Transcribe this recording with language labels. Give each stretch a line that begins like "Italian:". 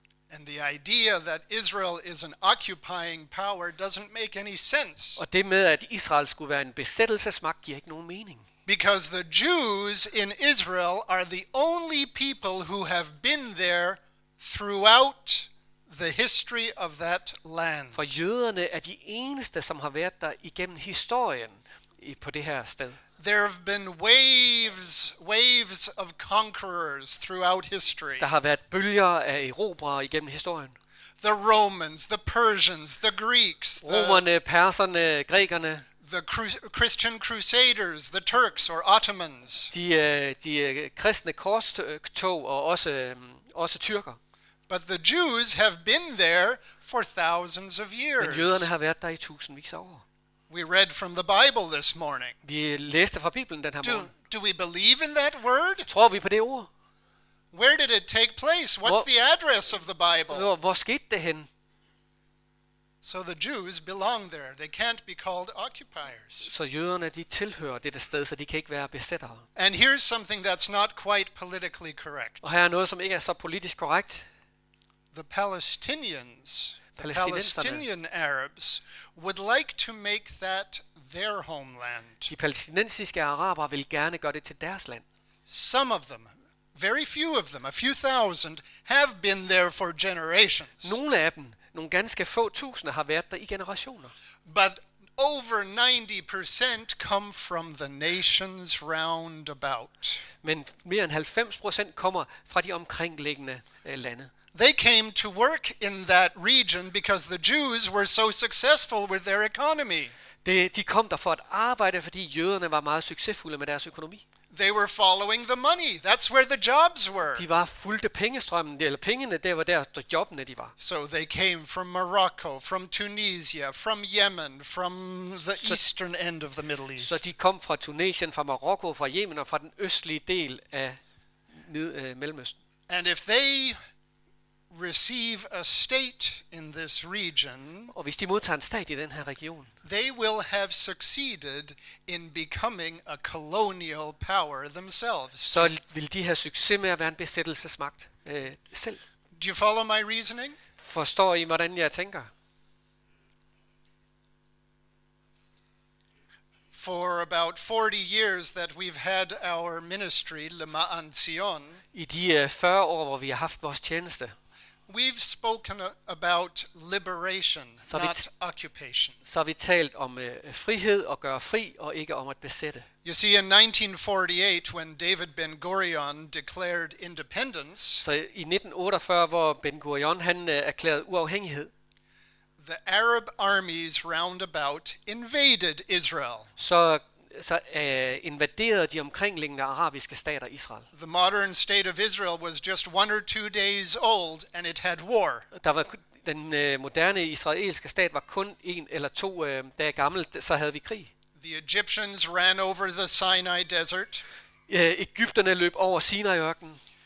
English: And the idea that Israel is an occupying power doesn't make any sense.
Danish: Og det med at Israel skulle være en besættelsesmagt giver ikke nogen mening.
English: Because the Jews in Israel are the only people who have been there throughout the history of that land.
Danish: For jøderne er de eneste som har været der igennem historien på det her sted.
English: There have been waves of conquerors throughout history.
Danish: Der har været bølger af erobrere igennem historien.
English: The Romans, the Persians, the Greeks,
Danish: romerne, perserne, grækerne.
English: The Christian Crusaders, the Turks or Ottomans.
Danish: De kristne korstog og også tyrker.
English: But the Jews have been there for thousands of years.
Danish: Men jøderne har været der i tusindvis af år.
English: We read from the Bible this morning.
Danish: Vi læste fra Bibelen den her morgen.
English: Do we believe in that word?
Danish: Tror vi på det ord?
English: Where did it take place? What's the address of the Bible?
Danish: Hvor skete det hen?
English: So the Jews belong there. They can't be called occupiers.
Danish: Så jøderne, de tilhører dette sted, så de kan ikke være besættere.
English: And here's something that's not quite politically correct.
Danish: Og her er noget, som ikke er så politisk korrekt.
English: The Palestinians. The Palestinian Arabs would like to make that their homeland.
Danish: De palæstinensiske araber vil gerne gøre det til deres land.
English: Some of them, very few of them, a few thousand, have been there for generations.
Danish: Nogle af dem, nogle ganske få tusinde, har været der i generationer.
English: But over 90% come from the nations round about.
Danish: Men mere end 90% kommer fra de omkringliggende lande.
English: They came to work in that region because the Jews were so successful with their economy.
Danish: De kom der for at arbejde, fordi jøderne var meget succesfulde med deres økonomi.
English: They were following the money. That's where the jobs were.
Danish: De var fulgte pengestrømmen, eller pengene, det var der jobbene de var.
English: So they came from Morocco, from Tunisia, from Yemen, from the eastern end of the Middle East.
Danish: Så de kom fra Tunesien, fra Marokko, fra Yemen og fra den østlige del af Mellemøsten.
English: And if they receive a state in this region.
Danish: Og hvis de modtager en stat i den her region.
English: They will have succeeded in becoming a colonial power themselves.
Danish: Så vil de have succes med at være en besættelsesmagt selv.
English: Do you follow my reasoning?
Danish: Forstår I hvordan jeg tænker?
English: For about 40 years that we've had our ministry Lema'an Zion.
Danish: I de 40 år hvor vi har haft vores tjeneste.
English: We've spoken about liberation, not occupation.
Danish: Så vi talt om frihed og gøre fri og ikke om at besætte.
English: You see, in 1948, when David Ben-Gurion declared independence.
Danish: Så i 1948, hvor Ben-Gurion han erklærede uafhængighed.
English: The Arab armies round about invaded Israel.
Danish: Så invaderede de omkringliggende arabiske stater Israel.
English: The modern state of Israel was just one or two days old and it had war.
Danish: Der var den moderne israelske stat var kun en eller to dage gammel, så havde vi krig.
English: The Egyptians ran over the Sinai desert.
Danish: Egypterne løb over Sinai-ørken.